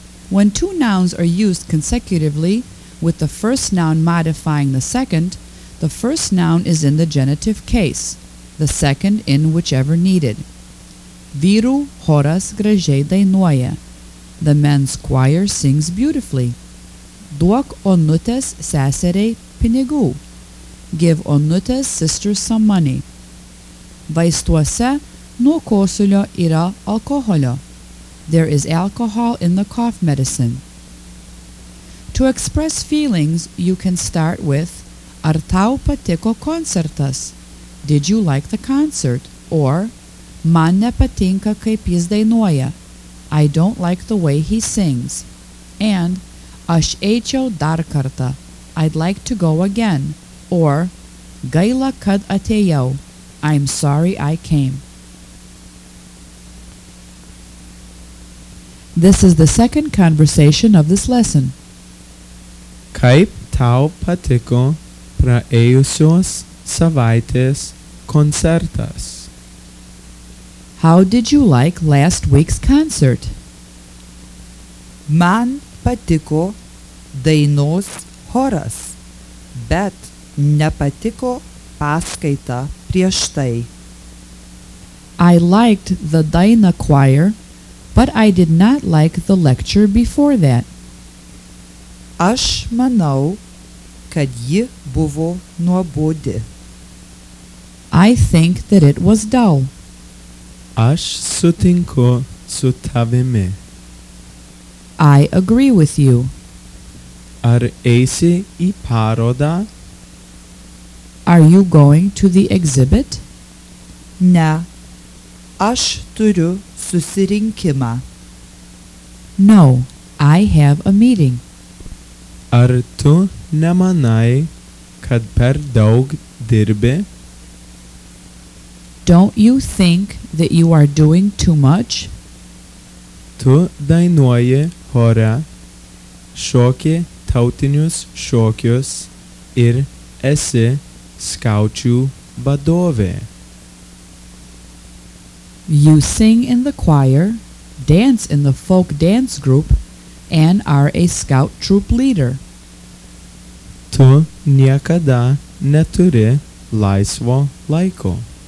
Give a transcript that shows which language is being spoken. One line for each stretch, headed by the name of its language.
English: When two nouns are used consecutively, with the first noun modifying the first noun is in the genitive case, the second in whichever needed.
Lithuanian: Vyrų choras gražiai dainuoja.
English: The men's choir sings beautifully.
Lithuanian: Duok Onutės seseriai pinigų.
English: Give Onutės sister some money.
Lithuanian: Vaistuose nuo kosulio yra alkoholio.
English: There is alcohol in the cough medicine. To express feelings, you can start with
Lithuanian: Ar tau patiko koncertas?
English: Did you like the concert? Or
Lithuanian: Man nepatinka kaip jis dainuoja?
English: I don't like the way he sings. And
Lithuanian: Aš eičiau dar kartą.
English: I'd like to go again. Or
Lithuanian: Gaila kad atėjau.
English: I'm sorry I came. This is the second conversation of this lesson.
Lithuanian: Kaip tau patiko praėjusios savaitės koncertas?
English: How did you like last week's concert?
Lithuanian: Man patiko dainos choras, bet nepatiko paskaita prieš tai.
English: I liked the daina choir, but I did not like the lecture before that.
Lithuanian: Aš manau, kad ji buvo nuobodi.
English: I think that it was dull.
Lithuanian: Aš sutinku su tavimi.
English: I agree with you.
Lithuanian: Ar eisi į parodą?
English: Are you going to the exhibit?
Lithuanian: Ne, aš turiu susirinkimą.
English: No, I have a meeting.
Lithuanian: Ar tu nemanai, kad per daug dirbi?
English: Don't you think that you are doing too much?
Lithuanian: Tu dainuoji chore, šoki tautinius šokius ir esi skaučių vadovė.
English: You sing in the choir, dance in the folk dance group, and are a scout troop leader.
Lithuanian: Tu niekada neturi laisvo laiko.